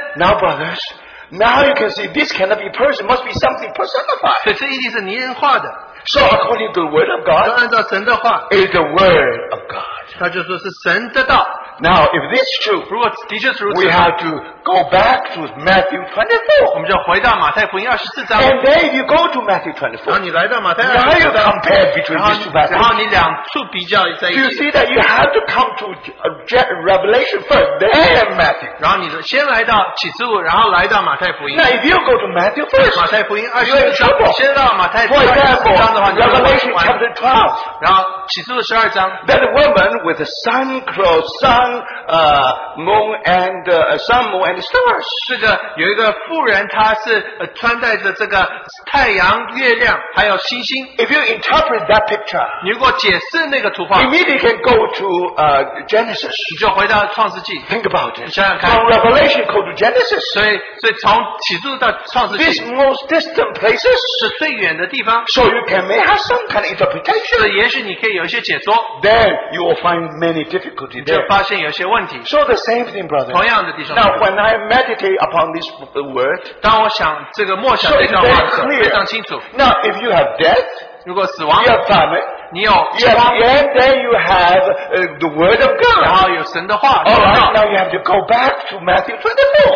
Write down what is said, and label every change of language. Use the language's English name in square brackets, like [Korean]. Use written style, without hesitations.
[English] now brothers, now you can see this cannot be person, must be something personified. [Chinese] 所以这一定是泥人化的。 [English] So according to the word of God, [Chinese] 就按照神的话, [English] is the word of God. [Chinese] 他就说是神的道。 [English] Now if this is true, [Chinese] 如果的确是如此, [English] we have to go back to Matthew 24. [Chinese] 我们就回到马太福音24章, [English] and then if you go to Matthew 24, [Chinese] 然后你来到马太福音24章, [English] now you compare between these two passages. [Chinese] 然后你两处比较在一起, [English] you see that you have to come to Revelation first, then Matthew. [Chinese] 然后你先来到启示录, 然后来到马太福音, [English] now if you go to Matthew first, [Chinese] 马太福音24章, 先到马太福音24章的话, [English] Revelation chapter 12, [Chinese] 然后启示录12章, [English] that woman with a sun clothed, sun, moon, and stars. [Chinese] 这个有一个妇人，她是穿戴着这个太阳、月亮，还有星星。 [English] If you interpret that picture, [Chinese] 如果解释那个图画, [English] immediately can go to Genesis. [Chinese] 你就回到创世纪。 [English] Think about it. [Chinese] 你想想看, [English] from Revelation go to Genesis. [Chinese] 所以从启示录到创世纪, [English] these most distant places, [Chinese] 是最远的地方。 [English] So you can may have some kind of interpretation. [Chinese] 所以也许你可以有一些解说。 [English] Then you will find many difficulties there. [Chinese] 发现有些问题, [English] so the same thing, brother. [Chinese] 同样的弟兄, [English] now when I meditate upon this word, [Chinese] 当我想这个默想这段话的时候, 非常清楚, [English] now if you have death, [Chinese] 如果死亡, [English] you have famine, And then you have the word of God. Now you have to go back to Matthew 24.